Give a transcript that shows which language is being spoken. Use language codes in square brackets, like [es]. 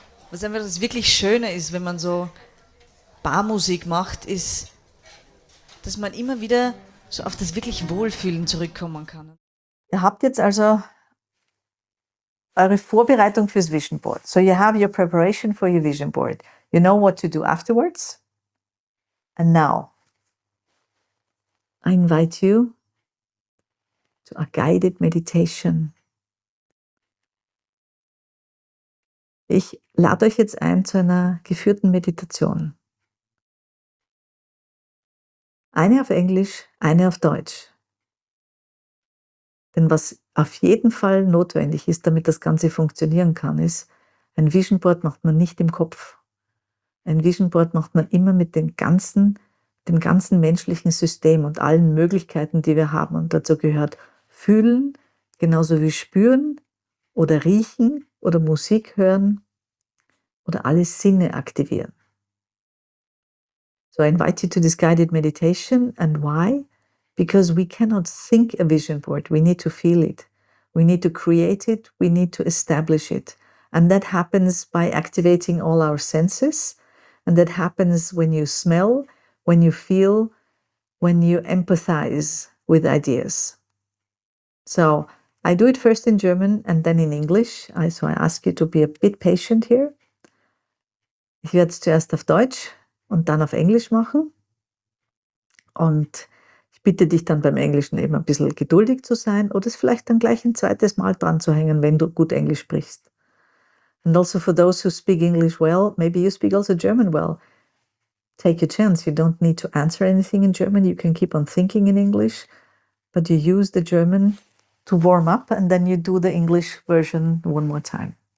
[de] Was einfach das wirklich Schöne ist, wenn man so Barmusik macht, ist, dass man immer wieder so auf das wirklich Wohlfühlen zurückkommen kann. Ihr habt jetzt also eure Vorbereitung fürs Vision Board. [en] So you have your preparation for your Vision Board. You know what to do afterwards. And now, I invite you to a guided meditation. [de] Ich lade euch jetzt ein zu einer geführten Meditation. Eine auf Englisch, eine auf Deutsch. Denn was auf jeden Fall notwendig ist, damit das Ganze funktionieren kann, ist, ein Vision Board macht man nicht im Kopf. Ein Vision Board macht man immer mit dem ganzen menschlichen System und allen Möglichkeiten, die wir haben. Und dazu gehört fühlen, genauso wie spüren oder riechen oder Musik hören. Oder alle Sinne aktivieren. [en] So I invite you to this guided meditation. And why? Because we cannot think a vision board. We need to feel it. We need to create it. We need to establish it. And that happens by activating all our senses. And that happens when you smell, when you feel, when you empathize with ideas. So I do it first in German and then in English. So I ask you to be a bit patient here. [de] Ich werde es zuerst auf Deutsch und dann auf Englisch machen. Und ich bitte dich dann beim Englischen eben ein bisschen geduldig zu sein oder es vielleicht dann gleich ein zweites Mal dran zu hängen, wenn du gut Englisch sprichst. [en] And also for those who speak English well, maybe you speak also German well. Take your chance. You don't need to answer anything in German. You can keep on thinking in English, but you use the German to warm up and then you do the English version one more time.